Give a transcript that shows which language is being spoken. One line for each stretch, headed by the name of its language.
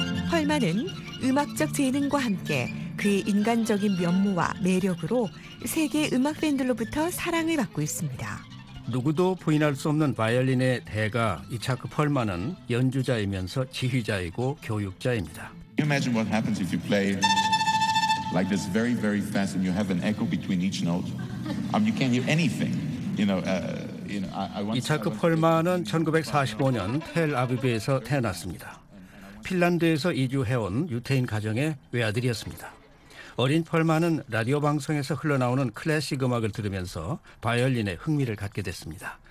Korean: 펄만은 음악적 재능과 함께 그의 인간적인 면모와 매력으로 세계 음악 팬들로부터 사랑을 받고 있습니다. 누구도 부인할 수 없는 바이올린의 대가 이차크 펄만은 연주자이면서 지휘자이고 교육자입니다.
English: You imagine what happens if you play like this very very fast and you have an echo between each note. You can't hear anything. You know,
Korean: I 펄만은 1945년 텔 아비브에서 태어났습니다. 핀란드에서 이주해온 유태인 가정의 외아들이었습니다. 어린 펄만은 라디오 방송에서 흘러나오는 클래식 음악을 들으면서 바이올린에 흥미를 갖게 됐습니다.